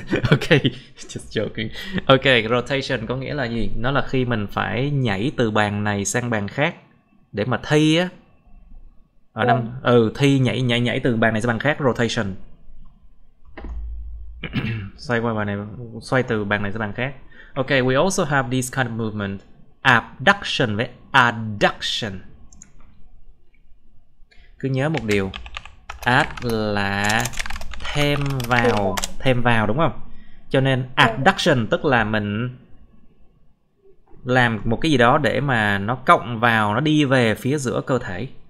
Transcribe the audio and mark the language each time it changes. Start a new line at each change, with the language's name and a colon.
English: Ok, just joking. Ok, rotation
Vietnamese: có nghĩa là gì? Nó là khi mình phải nhảy từ bàn này sang bàn khác để mà thi á. Ở năm thi nhảy nhảy nhảy từ bàn này sang bàn khác, rotation. Xoay qua bàn này, xoay từ bàn này sang bàn khác.
English: Ok, we also have this kind of movement.
Vietnamese: Abduction với adduction. Cứ nhớ một điều. Add là thêm vào, đúng không? Cho nên adduction tức là mình làm một cái gì đó để mà nó cộng vào, nó đi về phía giữa cơ thể.